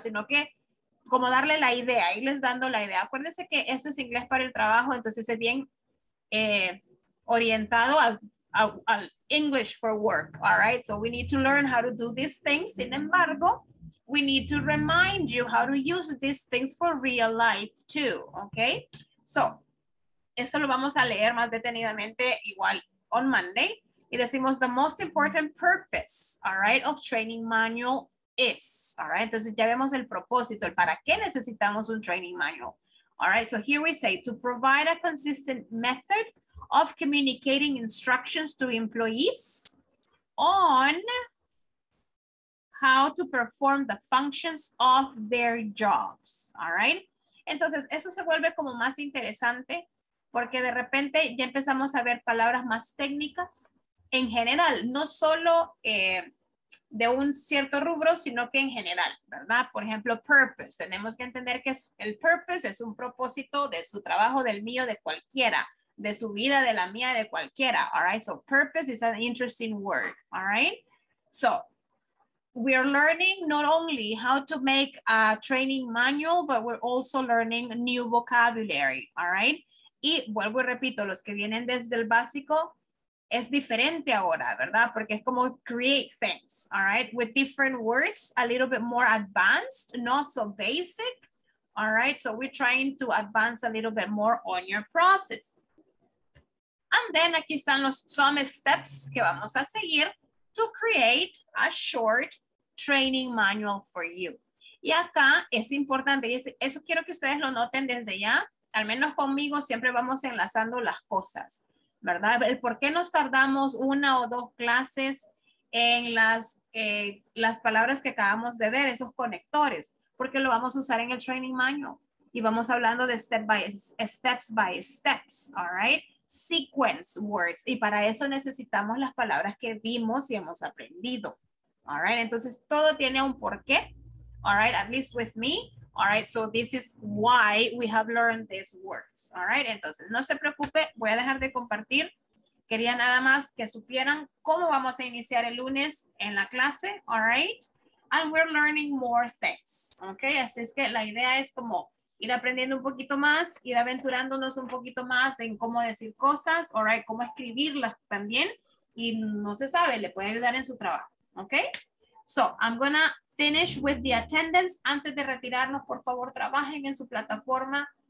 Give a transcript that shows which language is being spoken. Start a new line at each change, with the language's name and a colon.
Spanish: Sino que como darle la idea, irles dando la idea. Acuérdense que esto es inglés para el trabajo, entonces es bien orientado al English for work,
English: all right? So we need to learn how to do these things.
Spanish: Sin embargo,
English: we need to remind you how to use these things for real life too, okay?
Spanish: So, esto lo vamos a leer más detenidamente igual
English: on Monday.
Spanish: Y decimos
English: the most important purpose, all right, of training manual is, all right,
Spanish: entonces ya vemos el propósito, el para qué necesitamos un
English: training manual, all right, so here we say to provide a consistent method of communicating instructions to employees on how to perform the functions of their jobs, all right,
Spanish: entonces eso se vuelve como más interesante porque de repente ya empezamos a ver palabras más técnicas en general, no solo de un cierto rubro, sino que en general, ¿verdad? Por ejemplo, purpose. Tenemos que entender que el purpose es un propósito de su trabajo, del mío, de cualquiera, de su vida, de la mía, de cualquiera.
English: All right, so purpose is an interesting word. All right, so we are learning not only how to make a training manual, but we're also learning new vocabulary. All right,
Spanish: y vuelvo y repito, los que vienen desde el básico, es diferente ahora, ¿verdad? Porque es como
English: create things, all right? With different words, a little bit more advanced, not so basic, all right? So we're trying to advance a little bit more on your process. And then
Spanish: aquí están los
English: some steps
Spanish: que vamos a seguir
English: to create a short training manual for you.
Spanish: Y acá es importante, y eso quiero que ustedes lo noten desde ya, al menos conmigo siempre vamos enlazando las cosas. ¿Verdad? El por qué nos tardamos una o dos clases en las palabras que acabamos de ver, esos conectores, porque lo vamos a usar en el training manual y vamos hablando de
English: steps by steps, all right? Sequence words,
Spanish: y para eso necesitamos las palabras que vimos y hemos aprendido,
English: all right?
Spanish: Entonces todo tiene un porqué,
English: all right? At least with me. All right, so this is why we have learned these words. All right,
Spanish: entonces no se preocupe, voy a dejar de compartir. Quería nada más que supieran cómo vamos a iniciar el lunes en la clase.
English: All right, and we're learning more things. Okay,
Spanish: así es que la idea es como ir aprendiendo un poquito más, ir aventurándonos un poquito más en cómo decir cosas.
English: All right,
Spanish: cómo escribirlas también. Y no se sabe, le puede ayudar en su trabajo.
English: Okay, so I'm gonna finish with the attendance.
Spanish: Antes de retirarnos, por favor, trabajen en su plataforma.